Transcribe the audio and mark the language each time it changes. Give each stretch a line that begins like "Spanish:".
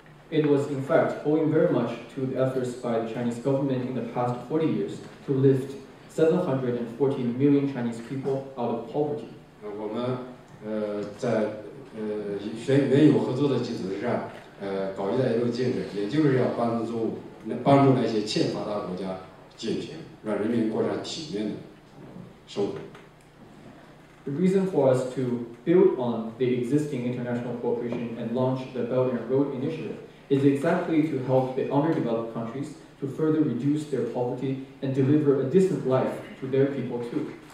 English: It was, in fact, owing very much to the efforts by the Chinese government in the past 40 years to lift 714 million Chinese people out of poverty.
Chinese: 我们在学内有合作的基础之上，搞一带一路建设，也就是要帮助那帮助那些欠发达国家进行，让人民过上体面的生活。
English: The reason for us to build on the existing international cooperation and launch the Belt and Road Initiative is exactly to help the underdeveloped countries to further reduce their poverty and deliver a decent life to their people too.